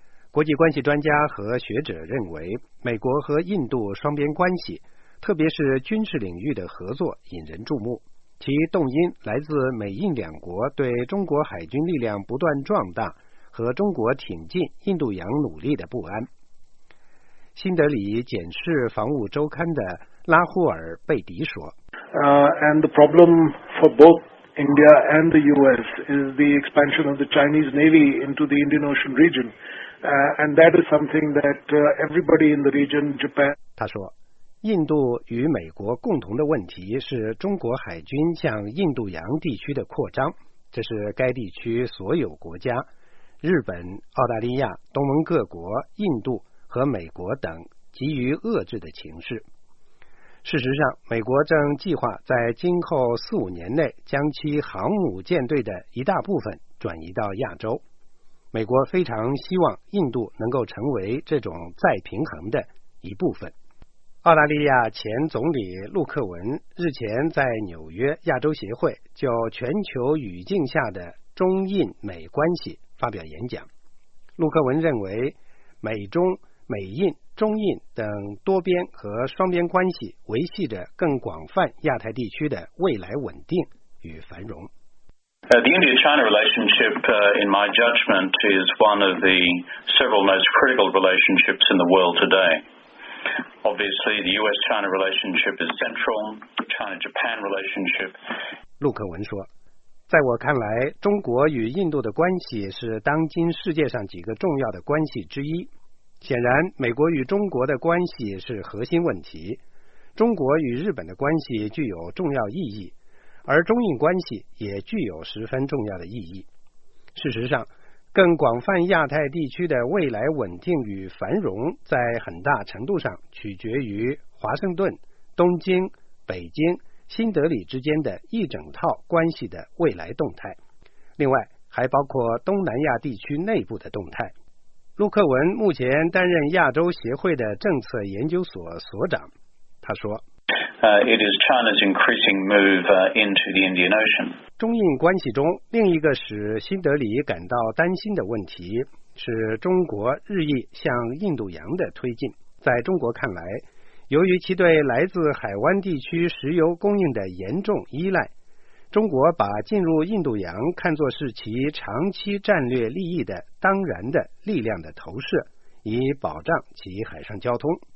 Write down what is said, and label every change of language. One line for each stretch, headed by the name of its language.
Chinese: 国际关系专家和学者认为，美国和印度双边关系，特别是军事领域的合作引人注目，其动因来自美印两国对中国海军力量不断壮大和中国挺进印度洋努力的不安。新德里《检视防务周刊》的拉胡尔·贝迪说
English: And the problem for both India and the US is the expansion of the Chinese Navy into the Indian Ocean region. And that is something that everybody in the region, Japan.
Chinese: 他说，印度与美国共同的问题是中国海军向印度洋地区的扩张，这是该地区所有国家、日本、澳大利亚、东盟各国、印度和美国等急于遏制的情势。事实上，美国正计划在今后四五年内将其航母舰队的一大部分转移到亚洲。美国非常希望印度能够成为这种再平衡的一部分。澳大利亚前总理陆克文日前在纽约亚洲协会就全球语境下的中印美关系发表演讲。陆克文认为，美中、美印、中印等多边和双边关系维系着更广泛亚太地区的未来稳定与繁荣。
English: The India-China relationship, in my judgment, is one of the several most critical relationships in the world today. Obviously, the U.S.-China relationship is central. The China-Japan relationship.
Chinese: 陆克文说，在我看来，中国与印度的关系是当今世界上几个重要的关系之一。显然，美国与中国的关系是核心问题。中国与日本的关系具有重要意义。而中印关系也具有十分重要的意义。事实上，更广泛亚太地区的未来稳定与繁荣在很大程度上取决于华盛顿、东京、北京、新德里之间的一整套关系的未来动态，另外还包括东南亚地区内部的动态。陆克文目前担任亚洲协会的政策研究所所长，他说，
English: It is China's increasing move into the Indian Ocean.
Chinese: 中印关系中另一个使新德里感到担心的问题是中国日益向印度洋的推进。在中国看来，由于其对来自海湾地区石油供应的严重依赖，中国把进入印度洋看作是其长期战略利益的当然的力量的投射，以保障其海上交通。